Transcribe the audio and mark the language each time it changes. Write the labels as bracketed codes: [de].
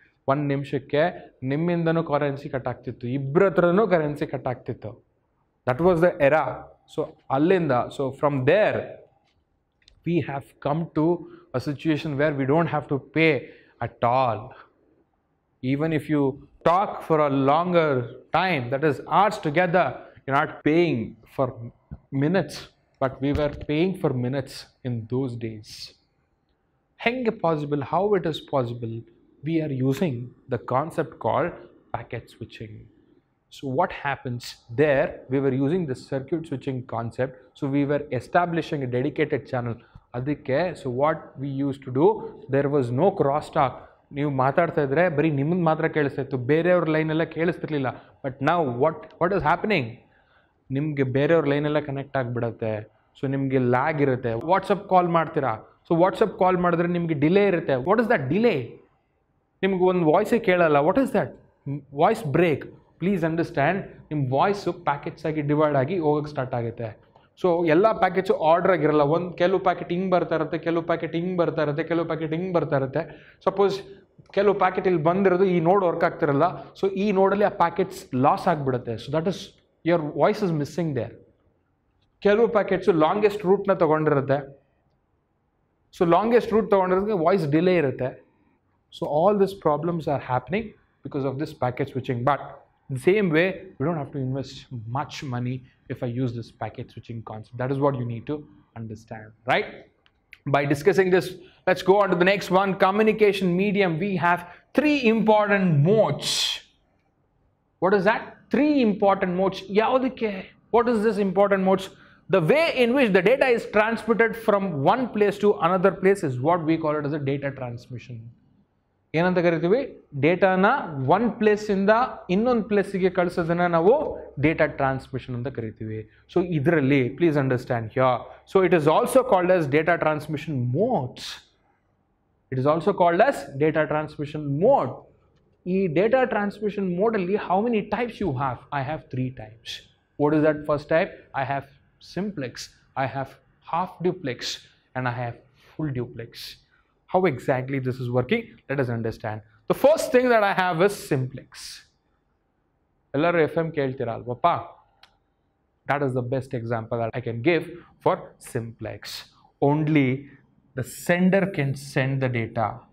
[kn] ಒಂದು ನಿಮಿಷಕ್ಕೆ ನಿಮ್ಮಿಂದನೂ currency cut ಆಗ್ತಿತ್ತು, ಇಬ್ಬರ ಹತ್ರನೂ ಕರೆನ್ಸಿ ಕಟ್ ಆಗ್ತಿತ್ತು. [en] that was the era So [kn] allinda, [en] so from there we have come to a situation where we don't have to pay at all. Even if you talk for a longer time, that is hours together, you're not paying for minutes, but we were paying for minutes in those days. Hang possible, how it is possible, we are using the concept called packet switching. So what happens there, we were using the circuit switching concept, so we were establishing a dedicated channel. So what we used to do, there was no crosstalk. [kn] ನೀವು ಮಾತಾಡ್ತಾ ಇದ್ರೆ ಬರೀ ನಿಮ್ಮನ್ನು ಮಾತ್ರ ಕೇಳಿಸ್ತಾ ಇತ್ತು, ಬೇರೆಯವ್ರ ಲೈನೆಲ್ಲ ಕೇಳಿಸ್ತಿರ್ಲಿಲ್ಲ. But ನಾವು [en] what is happening, [kn] ನಿಮಗೆ ಬೇರೆಯವ್ರ ಲೈನೆಲ್ಲ ಕನೆಕ್ಟ್ ಆಗಿಬಿಡುತ್ತೆ, ಸೊ ನಿಮಗೆ ಲ್ಯಾಗ್ ಇರುತ್ತೆ. ವಾಟ್ಸಪ್ ಕಾಲ್ ಮಾಡ್ತೀರಾ, ಸೊ ವಾಟ್ಸಪ್ ಕಾಲ್ ಮಾಡಿದ್ರೆ ನಿಮಗೆ ಡಿಲೇ ಇರುತ್ತೆ. [en] What is that delay? [kn] ನಿಮ್ಗೆ ಒಂದು ವಾಯ್ಸೇ ಕೇಳಲ್ಲ. [en] What is that voice break? Please understand, [kn] ನಿಮ್ಮ ವಾಯ್ಸು ಪ್ಯಾಕೆಟ್ಸ್ ಆಗಿ ಡಿವೈಡ್ ಆಗಿ ಹೋಗೋಕ್ಕೆ ಸ್ಟಾರ್ಟ್ ಆಗುತ್ತೆ. ಸೊ ಎಲ್ಲ ಪ್ಯಾಕೆಟ್ಸು ಆರ್ಡರ್ ಆಗಿರಲ್ಲ. ಒಂದು ಕೆಲವು ಪ್ಯಾಕೆಟ್ ಹಿಂಗೆ ಬರ್ತಾ ಇರುತ್ತೆ, ಕೆಲವು ಪ್ಯಾಕೆಟ್ ಹಿಂಗೆ ಬರ್ತಾ ಇರುತ್ತೆ, ಕೆಲವು ಪ್ಯಾಕೆಟ್ ಹಿಂಗೆ ಬರ್ತಾ ಇರುತ್ತೆ. ಸಪೋಸ್ ಕೆಲವು ಪ್ಯಾಕೆಟ್ ಇಲ್ಲಿ ಬಂದಿರೋದು, ಈ ನೋಡ್ ವರ್ಕ್ ಆಗ್ತಿರಲ್ಲ, ಸೊ ಈ ನೋಡಲ್ಲಿ ಆ ಪ್ಯಾಕೆಟ್ಸ್ ಲಾಸ್ ಆಗಿಬಿಡುತ್ತೆ. [en] So that is your voice is missing there. [kn] ಕೆಲವು packets longest ರೂಟ್ನ ತೊಗೊಂಡಿರುತ್ತೆ, so longest root ತೊಗೊಂಡಿರೋದಕ್ಕೆ voice delay ಇರುತ್ತೆ. [en] So all this problems are happening because of this packet switching. But in same way, you don't have to invest much money if I use this packet switching concept. That is what you need to understand, right? By discussing this, let's go on to the next one. Communication medium. We have three important modes. What is that? Three important modes. Yaudike. What is this important modes? The way in which the data is transmitted from one place to another place is what we call it as a data transmission. [kn] ಏನಂತ ಕರಿತೀವಿ, ಡೇಟಾನ one ಪ್ಲೇಸಿಂದ ಇನ್ನೊಂದು ಪ್ಲೇಸಿಗೆ ಕಳಿಸೋದನ್ನ ನಾವು data transmission ಅಂತ ಕರಿತೀವಿ. [en] So ಇದರಲ್ಲಿ please understand here, so it is also called as data transmission modes. It is also called as data transmission mode. [kn] ಈ data transmission ಮೋಡಲ್ಲಿ [en] How many types you have? I have three types. What is that first type? I have simplex, I have half duplex, and I have full duplex. How exactly this is working, let us understand. The first thing that I have is simplex. [kn] Ellaru FM kelthira alvappa? [en] That is the best example that I can give for simplex. Only the sender can send the data.